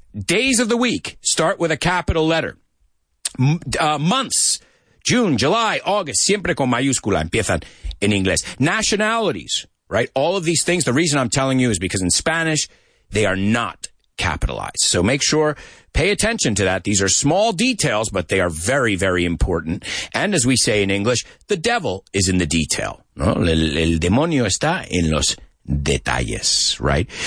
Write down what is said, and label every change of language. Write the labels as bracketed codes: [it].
[en] Days of the week start with a capital letter. Months, June, July, August, [es] siempre con mayúscula, empiezan en inglés. [en] Nationalities, right? All of these things, the reason I'm telling you is because in Spanish, they are not capitalized. So make sure, pay attention to that. These are small details, but they are very, very important. And as we say in English, the devil is in the detail. [es] No, el demonio está en los detalles, right?